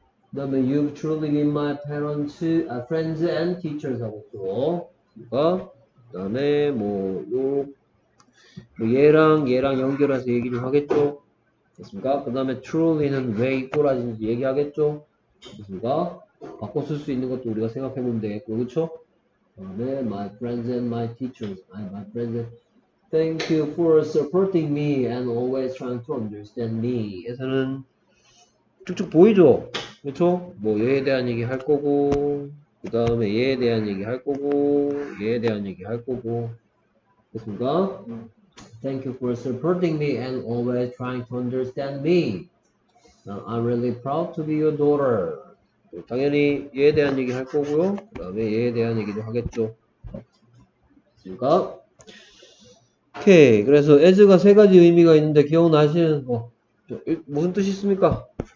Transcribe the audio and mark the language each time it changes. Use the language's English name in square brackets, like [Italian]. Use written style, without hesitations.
[Korean] 그다음에 [English] you've truly been my parents, friends and teachers [Korean] 하고 또. 그다음에 뭐요뭐 얘랑 연결해서 얘기를 하겠죠. 됐습니까? 그다음에 truly는 왜 이꼬라지는지 얘기하겠죠. 됐습니까? 바꿔 쓸수 있는 것도 우리가 생각해 보면 되겠고, 그렇죠? 그다음에 [English] my friends and my teachers, my friends. Thank you for supporting me and always trying to understand me. [Korean] 에서는 쭉쭉 보이죠? 그렇죠? 뭐 얘에 대한 얘기 할 거고, 그 다음에 얘에 대한 얘기 할 거고, 얘에 대한 얘기 할 거고, 그렇습니까? [English] Thank you for supporting me and always trying to understand me. Now, I'm really proud to be your daughter. [Korean] 당연히 얘에 대한 얘기 할 거고요. 그 다음에 얘에 대한 얘기도 하겠죠. 그렇습니까? 오케이. 그래서 as가 세 가지 의미가 있는데 기억나시는 거 무슨 뜻이 있습니까?